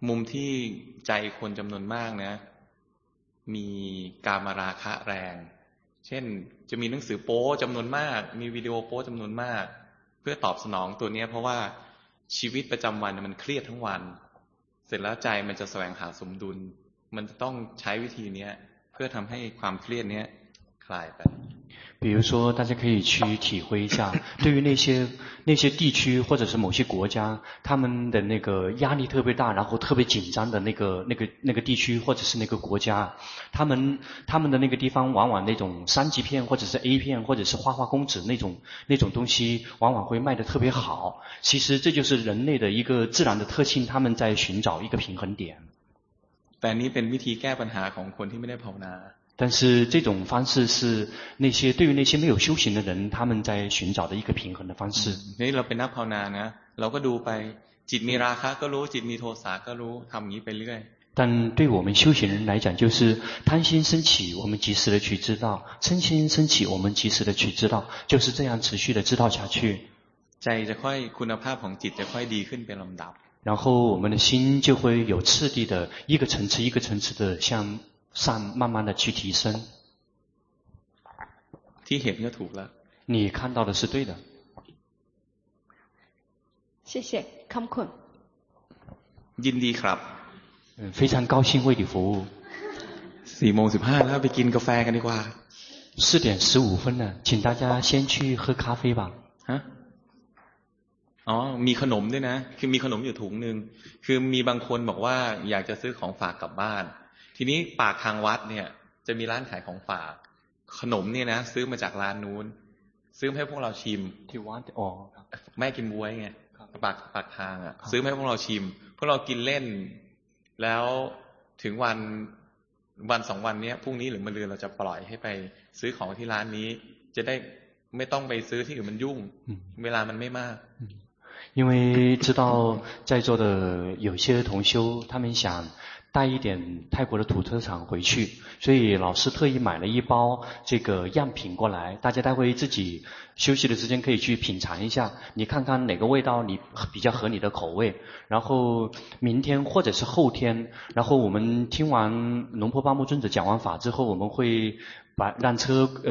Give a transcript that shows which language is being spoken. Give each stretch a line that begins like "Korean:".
Thai: ที่ใจคนจำนวนมากนะมีกามราคะแรงเช่นจะมีหนังสือโป้จำนวนมากมีวิดีโอโป้จำนวนมากเพื่อตอบสนองตัวเนี้ยเพราะว่าชีวิตประจำวันมันเครียดทั้งวันเสร็จแล้วใจมันจะแสวงหาสมดุลมันจะต้องใช้วิธีเนี้ยเพื่อทำให้ความเครียดเนี้ยคลายไป
Chinese: 比如说大家可以去体会一下，对于那些地区或者是某些国家，他们的那个压力特别大，然后特别紧张的那个地区或者是那个国家，他们的那个地方往往那种三级片或者是 A 片或者是花花公子那种东西往往会卖得特别好。其实这就是人类的一个自然的特性，他们在寻找一个平衡点。
Thai: แต่นี่เป็นวิธีแก้ปัญหาของคนที่ไม่ได้ภาวนา
Chinese: 但是这种方式是那些对于那些没有修行的人他们在寻找的一个平衡的方式
Thai: นี่เราเป็นนักภาวนานะเราก็ดูไปจิตมีราคะก็รู้จิตมีโทสะก็รู้ทำอย่างนี้ไปเรื่อย
Chinese: 但对我们修行人来讲就是贪心升起我们及时的去知道嗔心升起我们及时的去知道就是这样持续的知道下去
Thai: ใจจะค่อยคุณภาพของจิตจะค่อยดีขึ้นเป็นลำดับ
Chinese: 然后我们的心就会有次第的一个层次一个层次的向上慢慢的去提升。提醒就吐了。你看到的是对的。谢谢康坤。
Thai: 印尼ครับ
Chinese: 非常高兴为你服务。
Thai: 4:15แล้วไปกินกาแฟกันดีกว่า。
Chinese: 4:15了请大家先去喝咖啡吧。
Thai: อ๋อมีขนมด้วยนะคือมีขนมอยู่ถุงนึงคือมีบางคนบอกว่าอยากจะซื้อของฝากกลับบ้านทีนี้ปากทางวัดเนี่ยจะมีร้านขายของฝากขนมเนี่ยนะซื้อมาจากร้านนู้นซื้อให้พวกเราชิม ที่วัดอ๋อ แม่กินบวยไงปากทางอ่ะซื้อให้พวกเราชิมพวกเรากินเล่นแล้วถึงวัน2วันเนี้ยพรุ่งนี้หรือมะรืนเราจะปล่อยให้ไปซื้อของที่ร้านนี้จะได้ไม่ต้องไปซื้อที่อื่นมันยุ่งเวลามันไม่มาก
Chinese: 因为知道在座的有些同修他们想带一点泰国的土特产回去所以老师特意买了一包这个样品过来大家待会自己休息的时间可以去品尝一下你看看哪个味道你比较合你的口味然后明天或者是后天然后我们听完龙婆巴木尊者讲完法之后我们会把让车